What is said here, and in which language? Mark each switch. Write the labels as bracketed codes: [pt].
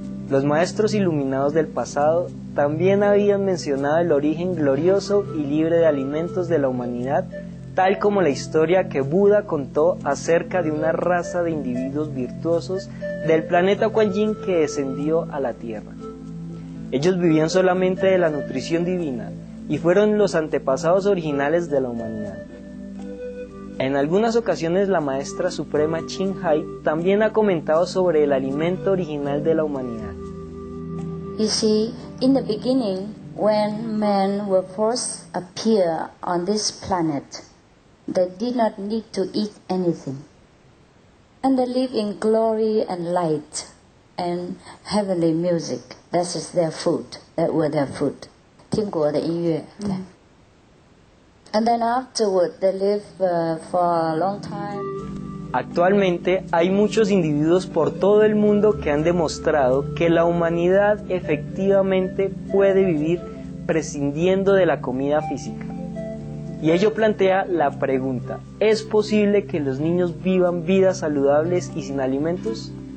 [es] Los maestros iluminados del pasado también habían mencionado el origen glorioso y libre de alimentos de la humanidad, tal como la historia que Buda contó acerca de una raza de individuos virtuosos del planeta Quan Yin que descendió a la Tierra. Ellos vivían solamente de la nutrición divina y fueron los antepasados originales de la humanidad. En algunas ocasiones la maestra suprema Ching Hai también ha comentado sobre el alimento original de la humanidad. [en] You see, in the beginning, when men were first appear on this planet, they did not need to eat anything. And they live in glory and light and heavenly music. That is their food. That were their food. [zh] 天国的音乐. [en] Mm. And then afterward, they live for a long time. [es] Actualmente, hay muchos individuos por todo el mundo que han demostrado que la humanidad efectivamente puede vivir prescindiendo de la comida física. Y ello plantea la pregunta, ¿es posible que los niños vivan vidas saludables y sin alimentos?